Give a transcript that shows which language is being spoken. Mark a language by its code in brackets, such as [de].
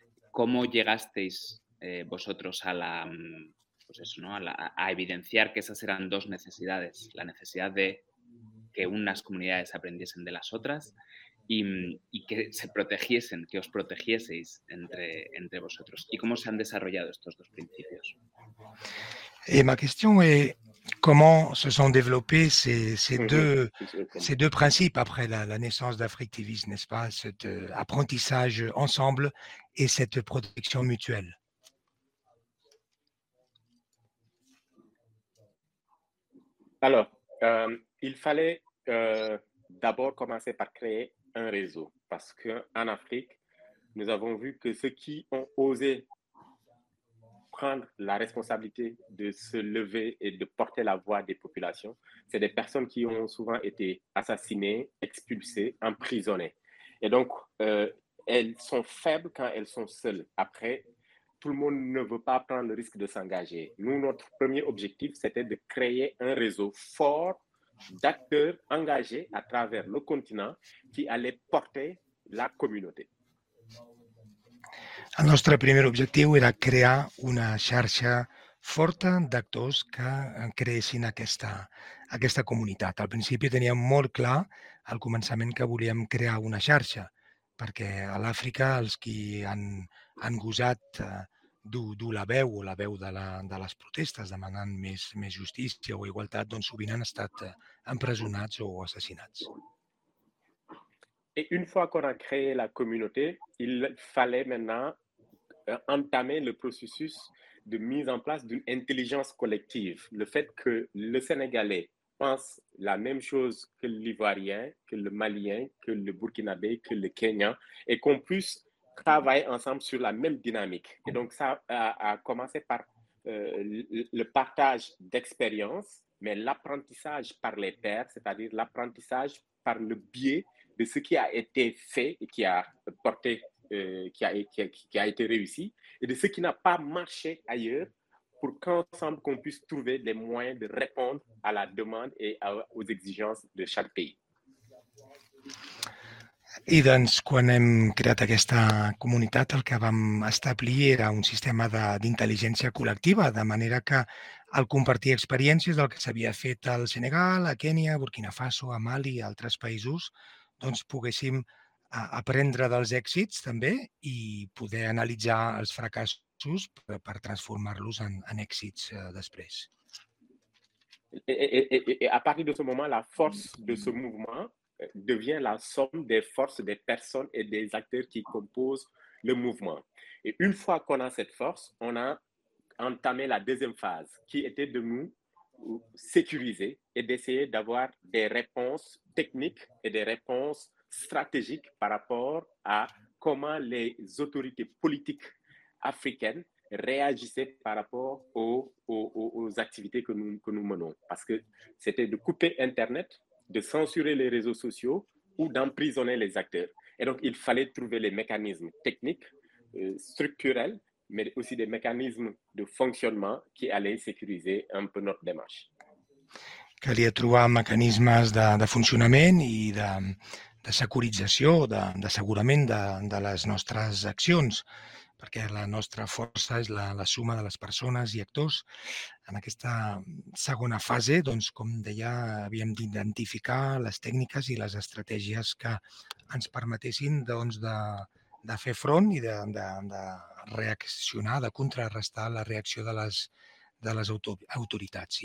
[es] ¿Cómo llegasteis vosotros a la, pues eso, ¿no? a evidenciar que esas eran dos necesidades? La necesidad de que unas comunidades aprendiesen de las otras y que se protegiesen, que os protegieseis entre vosotros. ¿Y cómo se han desarrollado estos dos principios? [fr] Et ma question est comment se sont développés ces deux principes après la naissance d'Afriktivist, n'est-ce pas, cet apprentissage ensemble et cette protection mutuelle. Alors, il fallait d'abord commencer par créer un réseau parce qu'en Afrique, nous avons vu que ceux qui ont osé prendre la responsabilité de se lever et de porter la voix des populations, c'est des personnes qui ont souvent été assassinées, expulsées, emprisonnées. Et donc, elles sont faibles quand elles sont seules. Après, tout le monde ne veut pas prendre le risque de s'engager. Nous, notre premier objectif, c'était de créer un réseau fort d'acteurs engagés à travers le continent qui allaient porter la communauté. [ca] El nostre primer objectiu era crear una xarxa forta d'actors que creessin aquesta comunitat. Al principi teníem molt clar al començament que volíem crear una xarxa, perquè a l'Àfrica els qui han gosat dur la veu o la veu de les protestes demanant més justícia o igualtat, doncs sovint han estat empresonats o assassinats. [fr] Et une fois qu'on a créé la communauté, il fallait maintenant entamer le processus de mise en place d'une intelligence collective. Le fait que le Sénégalais pense la même chose que l'Ivoirien, que le Malien, que le Burkinabé, que le Kenyan, et qu'on puisse travailler ensemble sur la même dynamique. Et donc ça a commencé par le partage d'expériences, mais l'apprentissage par les pairs, c'est-à-dire l'apprentissage par le biais de ce qui a été fait et qui a porté, qui a été réussi, et de ce qui n'a pas marché ailleurs, pour qu'ensemble qu'on puisse trouver les moyens de répondre à la demande et aux exigences de chaque pays. [ca] I doncs, quan hem creat aquesta comunitat, el que vam establir era un sistema d'intel·ligència col·lectiva, de manera que al compartir experiències del que s'havia fet al Senegal, a Kenya, a Burkina Faso, a Mali i altres països, doncs poguéssim aprendre dels èxits també i poder analitzar els fracassos per transformar-los en èxits després. [fr] Et à partir de ce moment, la force de ce mouvement devient la somme des forces des personnes et des acteurs qui composent le mouvement. Et une fois qu'on a cette force, on a entamé la deuxième phase qui était de nous sécuriser et d'essayer d'avoir des réponses techniques et des réponses stratégiques par rapport à comment les autorités politiques africaines réagissaient par rapport aux activités que nous menons. Parce que c'était de couper Internet, de censurer les réseaux sociaux ou d'emprisonner les acteurs. Et donc, il fallait trouver les mécanismes techniques, structurels, mais aussi des mécanismes de fonctionnement qui allaient sécuriser un peu notre démarche. [ca] Calia trobar mecanismes de funcionament i de securització, d'assegurament de les nostres accions, perquè la nostra força és la suma de les persones i actors. En aquesta segona fase, doncs, com deia, havíem d'identificar les tècniques i les estratègies que ens permetessin doncs, de fer front i de reaccionar, de contrarrestar la reacció de les autoritats.